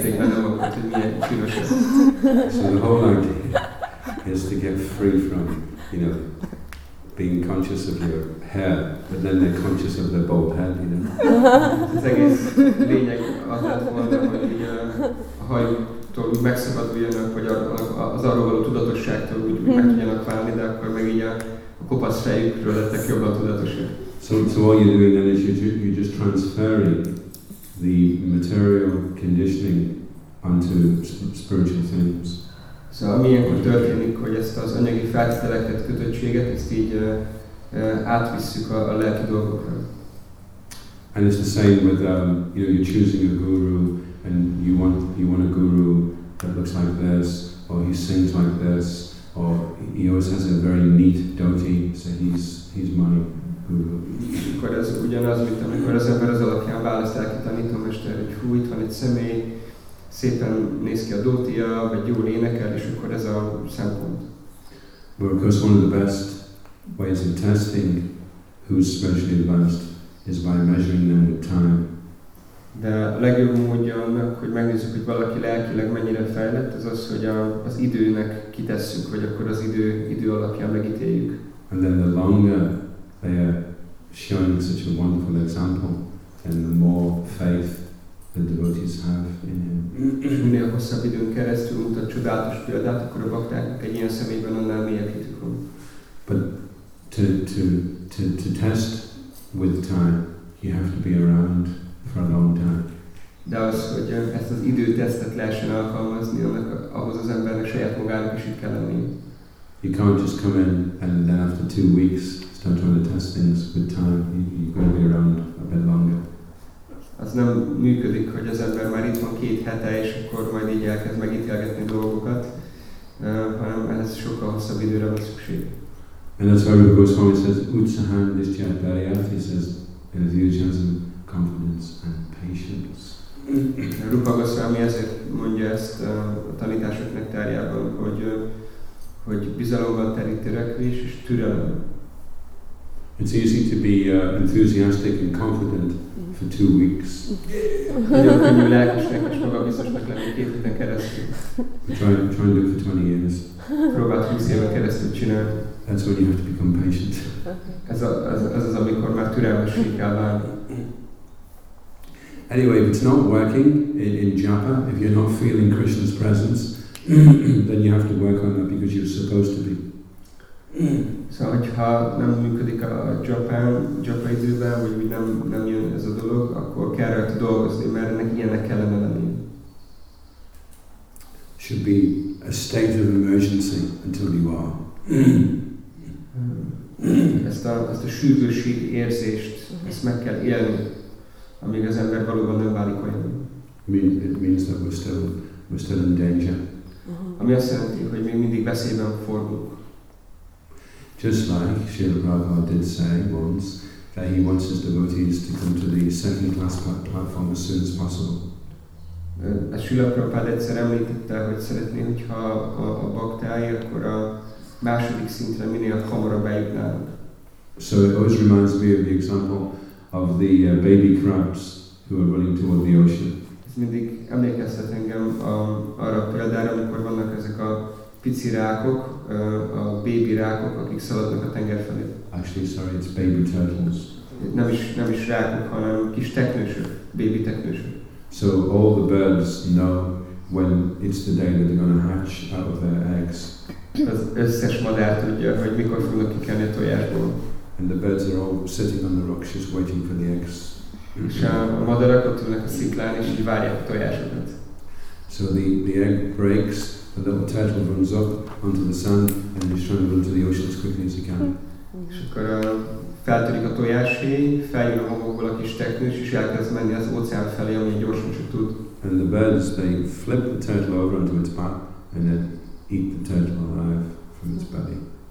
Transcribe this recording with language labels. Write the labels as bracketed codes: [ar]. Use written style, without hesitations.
[en] So the whole idea is to get free from, you know, being conscious of your hair, but then they're conscious of their bald head, you know. [hu] Az egész lényeg az lett volna, hogy a hajtól úgy megszabaduljanak, hogy az arról való tudatosságtól úgy meg tudjanak válni, de akkor meg így a kopasz fejükről lettek jobban tudatosak. [en] So what you're doing then is you're just transferring the material conditioning onto spiritual things. [hu] So ami ilyenkor történik, hogy ezt az anyagi feltételeket, kötöttséget, ezt így átvisszük a lelki dolgokra. [en] And it's the same with you know, you're choosing a guru and you want a guru that looks like this, or he sings like this, or he always has a very neat dhoti, so he's my [hu] akkor ez ugyanaz, mint amikor az ember az alapján választ el ki tanítómester, hogy hú, itt van egy személy, szépen néz ki a dótia, vagy jól énekel, és akkor ez a szempont. [en] But of course one of the best ways of testing who's spiritually advanced is by measuring them with time. [hu] De a legjobb módja annak, hogy megnézzük, hogy valaki lelkileg mennyire fejlett, az, hogy az időnek kitesszük, vagy akkor az idő alapján megítéljük. [en] And then the longer they are showing such a wonderful example, and the more faith the devotees have in him. [hu] Minél hosszabb időn keresztül mutat csodálatos példát, akkor a bakták egy ilyen személyben annál mélyebb hitük van. [en] But to test with time, you have to be around for a long time. [hu] De az, hogy ezt az időtesztet lehessen alkalmazni, annak ahhoz az embernek saját magának is itt kell lenni. [en] You can't just come in and then after 2 weeks start trying to test things with time. You've got to be around a bit longer. [hu] Az nem működik, hogy az ember már itt van 2 hete, és akkor majd így elkezd megítélgetni dolgokat, hanem ehhez sokkal hosszabb időre van szükség. [en] And that's why Rupa Goswami says, [sa] Utsaham Nishchaya Baryath, [en] he says, enthusiasm, confidence and patience. [hu] Rupa Goswami ezért mondja ezt a tanításoknak tárjában, hogy bizalommal teli törekvés és türelem. [en] It's easy to be enthusiastic and confident for 2 weeks. [hu] Nagyon könnyű lelkesnek és magabiztosnak lenni 2 héten keresztül. [en] Try and do it for 20 years. [hu] Próbált 20 éven keresztül csinálni. [en] That's when you have to become patient. [hu] Ez az, amikor már türelmesség kell válni. [en] Anyway, if it's not working in japa, if you're not feeling Krishna's presence, then you have to work on that because you're supposed to be. So, [hu] hogyha nem működik a japán időben, vagy nem jön ez a dolog, akkor kell rajta dolgozni, mert ennek ilyennek kellene lenni. [en] Should be a state of emergency until you are. [hu] ezt a sürgősség érzést, ezt meg kell élni, amíg az ember valóban nem válik olyan. [en] It means that we're still in danger. Uh-huh. [hu] Ami azt jelenti, hogy még mindig veszélyben fordulunk. [en] Just like Srila Prabhupada did say once, that he wants his devotees to come to the second class platform as soon as possible. [hu] Ezt Srila Prabhupada egyszer említette, hogy szeretné, hogyha a baktái, akkor a második szintre minél hamarabb eljutnának. [en] So it always reminds me of the example of the baby crabs who are running toward the ocean. [hu] Ez mindig emlékeztet engem arra példára, amikor vannak ezek a pici rákok, a baby rákok, akik szaladnak a tenger felé. [en] Actually, sorry, it's baby turtles. [hu] Nem is rákok, hanem kis teknősök, baby teknősök. [en] So all the birds know when it's the day that they're going to hatch out of their eggs. [hu] Az összes madár tudja, hogy mikor fognak kikelni a tojásból. [en] And the birds are all sitting on the rocks, just waiting for the eggs. [hu] És a madarak ott ülnek a sziklán, és így várják a tojásokat. [en] So the egg breaks, the little turtle runs up onto the sand, and he's trying to run to the ocean as quickly as he can. [hu] És akkor feltörik a tojásfény, feljön a homokból a kis teknős, és elkezd menni az óceán felé, ami gyorsan csak tud. [en] And the birds, they flip the turtle over onto its back, and then eat the turtle alive from its belly.